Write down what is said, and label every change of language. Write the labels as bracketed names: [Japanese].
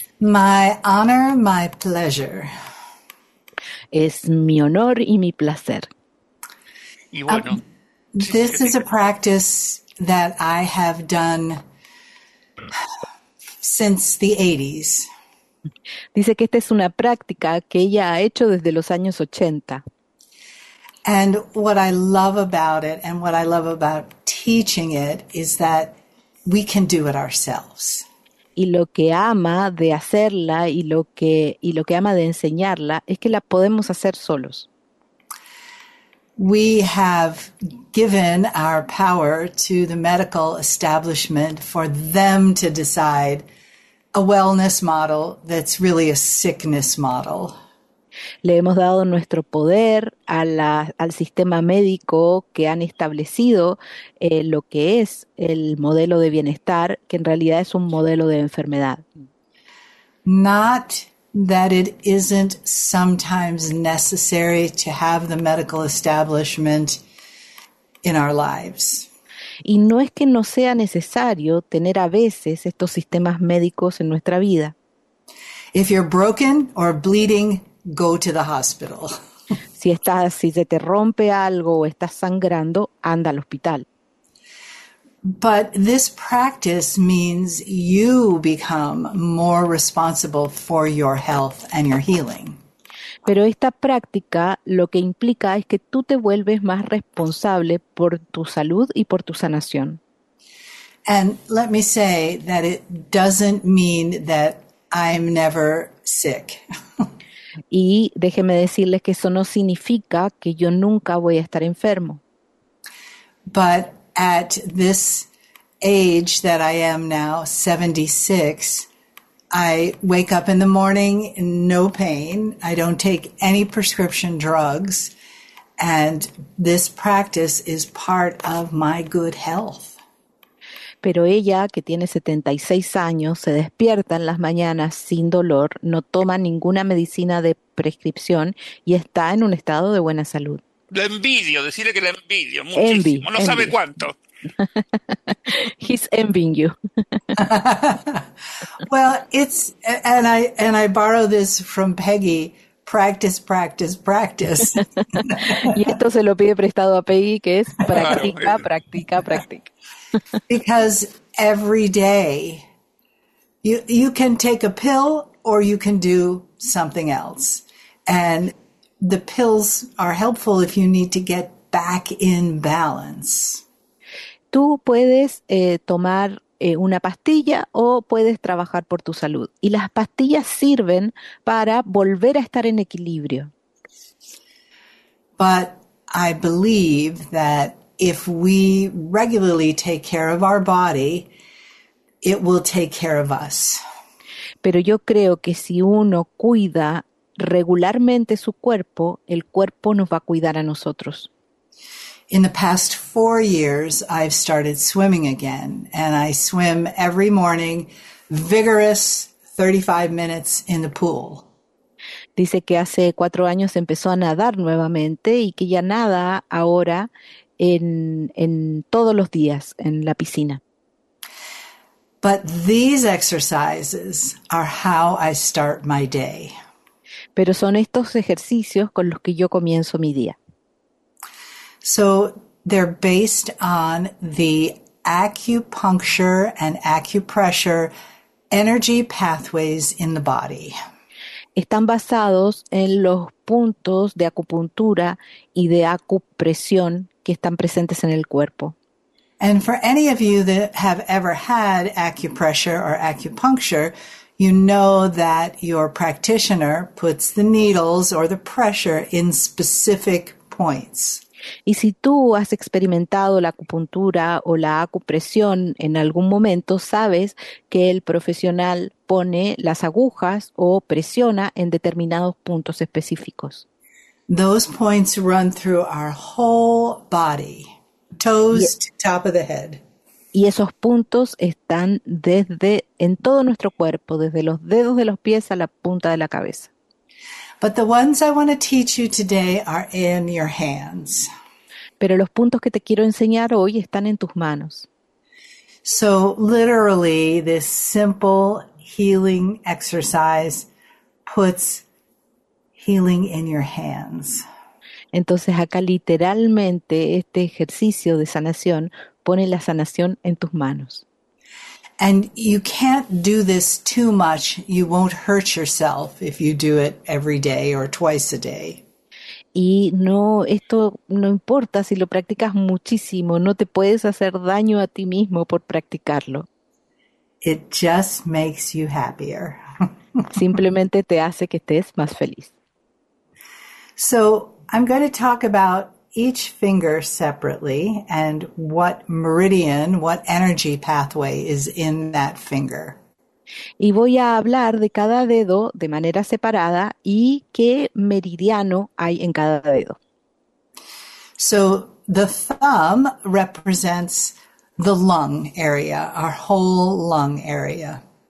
[English] My honor, my pleasure. [Spanish] Es mi honor y mi placer. Y bueno, [English] This is a practice that I have done since the 80s. [Spanish] dice que esta es una práctica que ella ha hecho desde los años 80. [English] And what I love about it, and what I love about teaching it, is that we can do it ourselves. [Spanish] Y lo que ama de hacerla y lo que ama de enseñarla es que la podemos hacer solos. [English] We have given our power to the medical establishment for them to decide a wellness model that's really a sickness model. [Spanish] Le hemos dado nuestro poder al sistema médico que han establecido lo que es el modelo de bienestar, que en realidad es un modelo de enfermedad. [English] Not that it isn't sometimes necessary to have the medical establishment in our lives. [Spanish] Y no es que no sea necesario tener a veces estos sistemas médicos en nuestra vida. [English] If you're broken or bleeding, go to the hospital. [Spanish] Si se te rompe algo o estás sangrando, anda al hospital. [English] But this practice means you become more responsible for your health and your healing. [Spanish] Pero esta práctica lo que implica es que tú te vuelves más responsable por tu salud y por tu sanación. [English] And let me say that it doesn't mean that I'm never sick. [Spanish] Y déjeme decirles que eso no significa que yo nunca voy a estar enfermo. [English] But at this age that I am now, 76, I wake up in the morning in no pain. I don't take any prescription drugs, and this practice is part of my good health. [Spanish] Pero ella, que tiene 76 años, se despierta en las mañanas sin dolor, no toma ninguna medicina de prescripción y está en un estado de buena salud. La envidio, decirle que la envidio [English] Envy, [Spanish] muchísimo, no sabe [English] envy. [Spanish] cuánto. [English] He's Well, it's, and I borrow this from Peggy, practice, practice, practice. [Spanish] Y esto se lo pide prestado a Peggy, que es practica, practica, practica. [English] Because every day you can take a pill or you can do something else. And the pills are helpful if you need to get back in balance. [Spanish] Tú puedes tomar una pastilla o puedes trabajar por tu salud. Y las pastillas sirven para volver a estar en equilibrio. [English] But I believe that if we regularly take care of our body, it will take care of us. [Spanish] Pero yo creo que si uno cuida regularmente su cuerpo, el cuerpo nos va a cuidar a nosotros. [English] In the past 4 years, I've started swimming again, and I swim every morning, vigorous 35 minutes in the pool. [Spanish] Dice que hace 4 años empezó a nadar nuevamente y que ya nada ahora en todos los días en la piscina. [English] But these exercises are how I start my day. [Spanish] Pero son estos ejercicios con los que yo comienzo mi día. [English] So they're based on the acupuncture and acupressure energy pathways in the body. [Spanish] Están basados en los puntos de acupuntura y de acupresión que están presentes en el cuerpo. [English] And for any of you that have ever had acupressure or acupuncture, you know that your practitioner puts the needles or the pressure in specific points. [Spanish] Y si tú has experimentado la acupuntura o la acupresión en algún momento, sabes que el profesional pone las agujas o presiona en determinados puntos específicos. [English] Those points run through our whole body, toes to top of the head. [Spanish] Y esos puntos están desde en todo nuestro cuerpo, desde los dedos de los pies a la punta de la cabeza. [English] But the ones I want to teach you today are in your hands. [Spanish] Pero los puntos que te quiero enseñar hoy están en tus manos. [English] So literally, this simple healing exercise puts healing in your hands. [Spanish] Entonces acá literalmente este ejercicio de sanación pone la sanación en tus manos. [English] And you can't do this too much. You won't hurt yourself if you do it every day or twice a day. [Spanish] Y no, esto no importa si lo practicas muchísimo. No te puedes hacer daño a ti mismo por practicarlo. [English] It just makes you happier. [Spanish] Simplemente te hace que estés más feliz. [English] So I'm going to talk about each finger separately and what meridian, what energy pathway is in that finger. [Spanish] Y voy a hablar de cada dedo de manera separada y qué meridiano hay en cada dedo. [English] So the thumb represents the lung area, our whole lung area.